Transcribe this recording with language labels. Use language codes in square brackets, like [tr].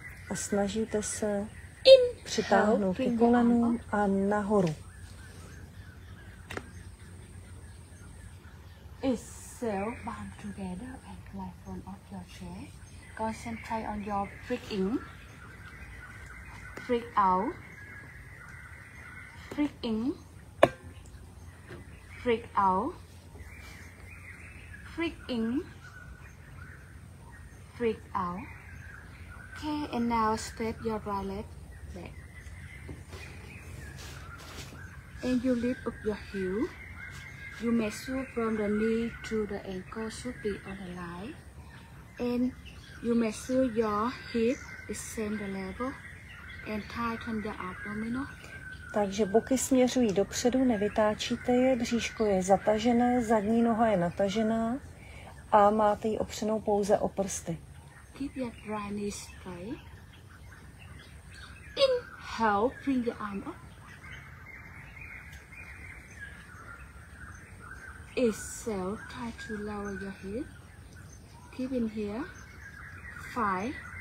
[cs] A snažíte se přitáhnout ke kolenům a nahoru. [en] Exhale, bound together and lie front of your chair. Concentrate on your breathing. Breathe out. Breathe in. Breathe out. Breathe in. Breathe out. Okay, and now step your right leg back. And you lift up your heel. You measure from the knee to the ankle should be on the line. And you measure your hip is same the level. And tighten the abdominal. [cs] Takže boky směřují dopředu, nevytáčíte je, bříško je zatažené, zadní noha je natažená a máte ji opřenou pouze o prsty. [en] Keep your right knee straight. Inhale, bring your arm up. Exhale, try to lower your hip. Keep in here. Five.